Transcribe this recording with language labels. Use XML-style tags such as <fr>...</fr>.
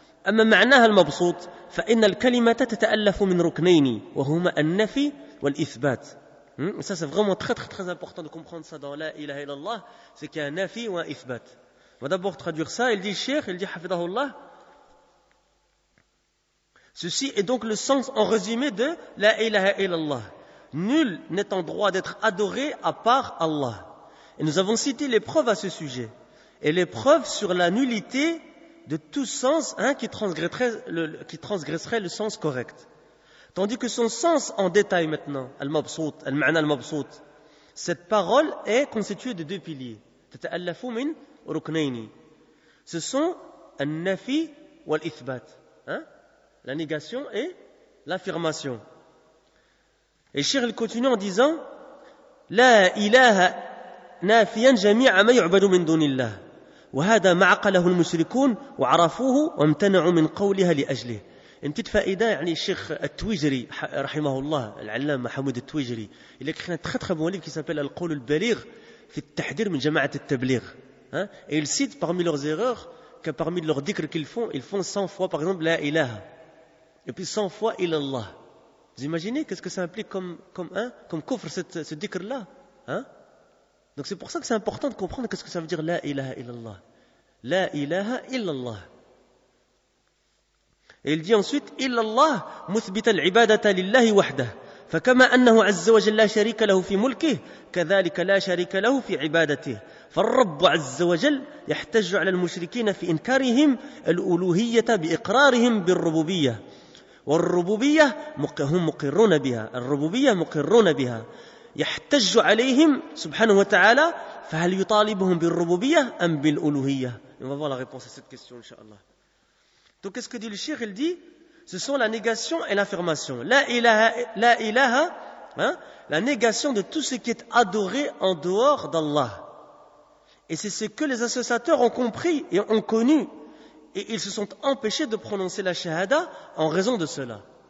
<ar>أما معناها المبسوط فإن الكلمة تتألف من ركنين وهما النفي والإثبات.</ar> <fr>Ça c'est vraiment très très très important de comprendre ça dans la ilaha illallah, c'est qu'il y a un nafi ou un ithbat. On va d'abord traduire ça. Il dit le cheikh, il dit hafidahullah, ceci est donc le sens en résumé de la ilaha illallah. Nul n'est en droit d'être adoré à part Allah. Et nous avons cité les preuves à ce sujet et les preuves sur la nullité de tout sens, hein, qui transgresserait le sens correct. Tandis que son sens en détail maintenant, al-mabsout, al-ma'na al-mabsout, cette parole est constituée de deux piliers.</fr> <ar>Tata'allafu min ruknayni. Ce sont al-nafi wal-ithbat. Hein?</ar> <fr>La négation et l'affirmation. Et Cheikh il continue en disant,</fr> <ar>la ilaha nafiyan jami'a ma yu'badu min dunillah. وهذا ما عقله المشركون وعرفوه وامتنعوا من قولها لأجله. انت فائدة يعني الشيخ التويجري رحمه الله العلامة محمود التويجري.</ar> <fr>Il a écrit un très très bon livre qui s'appelle Al-Qawl Al-Baligh.</fr> <ar>في التحذير من جماعة التبليغ.</ar> <fr>Et ils citent parmi leurs erreurs que parmi leurs dhikrs qu'ils font, ils font 100 fois par exemple la ilaha. Et puis 100 fois ilallah. Vous imaginez qu'est-ce que ça implique comme kufr ce dhikr là, hein? Donc c'est pour ça que c'est important de comprendre qu'est-ce que ça veut dire la ilaha illallah.</fr> <ar>La ilaha illallah.</ar> <fr>Et il dit ensuite</fr> <ar>illallah muthbita al-ibadata lillahi wahda. فكما أنه عز وجل لا شريك له في ملكه كذلك لا شريك له في عبادته فالرب عز وجل يحتج على المشركين في إنكارهم الألوهية بإقرارهم بالربوبية والربوبية هم مقرون بها الربوبية مقرون بها يحتج عليهم سبحانه وتعالى فهل يطالبهم بالربوبية أم بالألوهية</ar> <fr>voilà réponse à cette question inshallah. Donc qu'est-ce que dit le cheikh, il dit ce sont la négation et l'affirmation. La ilaha, hein, la négation de tout ce qui est adoré en dehors d'Allah. Et c'est ce que les associateurs ont compris et ont connu. Et ils se sont empêchés de prononcer la shahada en raison de cela.</fr>